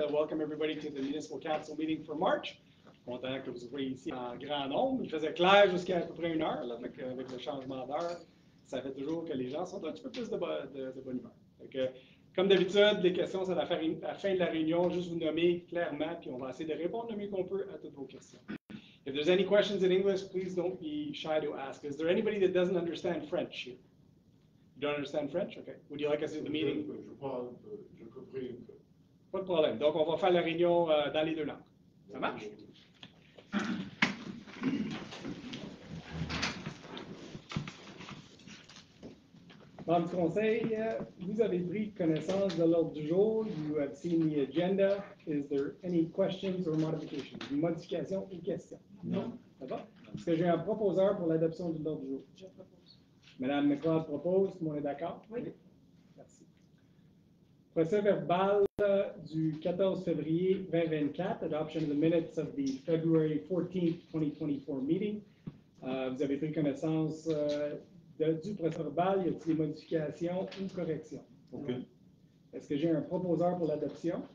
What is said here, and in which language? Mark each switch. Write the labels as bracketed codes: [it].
[en] Welcome everybody to the municipal council meeting for March. [fr] Content que vous soyez ici en grand nombre. Il faisait clair jusqu'à à peu près une heure là, avec le changement d'heure. Ça fait toujours que les gens sont un petit peu plus de bonne humeur. Donc, comme d'habitude, les questions sont à la fin de la réunion. Juste vous nommer clairement, puis on va essayer de répondre le mieux qu'on peut à toutes vos questions. [en] If there's any questions in English, please don't be shy to ask. Is there anybody that doesn't understand French here? You don't understand French? Okay. Would you like us to do the meeting? [fr] Je comprends un peu. Pas de problème. Donc, on va faire la réunion dans les deux langues. Ça marche? Membre du conseil, vous avez pris connaissance de l'ordre du jour. [en] You have seen the agenda. Is there any questions or modifications? [fr] Une modification ou question? Non. Ça va? Est-ce que j'ai un proposeur pour l'adoption de l'ordre du jour? Je propose. Madame McLeod propose. Tout le monde est d'accord? Oui. Oui. Merci. Procès verbal du 14 février 2024. [en] Adoption of the minutes of the February 14th, 2024 meeting. [fr] Vous avez pris connaissance du procès verbal. Y a-t-il des modifications ou corrections? Aucune. Okay. Est-ce que j'ai un proposeur pour l'adoption?